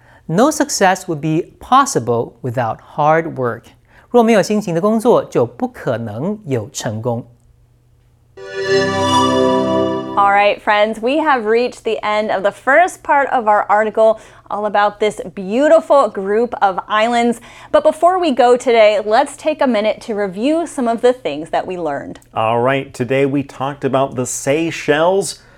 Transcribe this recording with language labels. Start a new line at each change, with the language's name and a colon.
English: No success would be possible without hard work.
Chinese: 若没有辛勤的工作，就不可能有成功。
English: All right, friends, we have reached the end of the first part of our article all about this beautiful group of islands. But before we go today, let's take a minute to review some of the things that we learned. All right, today we talked about the Seychelles.